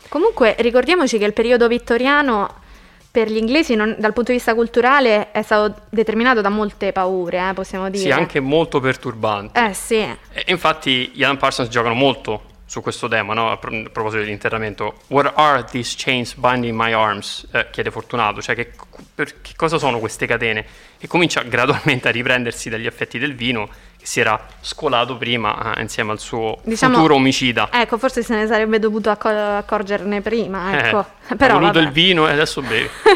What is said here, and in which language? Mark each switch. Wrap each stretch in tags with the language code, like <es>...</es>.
<it>Comunque ricordiamoci che il periodo vittoriano per gli inglesi non, dal punto di vista culturale è stato determinato da molte paure, possiamo dire. Sì, anche molto perturbante. Sì. E infatti gli Alan Parsons giocano molto su questo tema, no? A proposito dell'interramento.</it> <en>What are these chains binding my arms?</en> <it>Chiede Fortunato, cioè che cosa sono queste catene? E comincia gradualmente a riprendersi dagli effetti del vino che si era scolato prima insieme al suo futuro omicida. Ecco, forse se ne sarebbe dovuto accorgerne prima, ecco. Però, ha voluto il vino e adesso bevi.</it>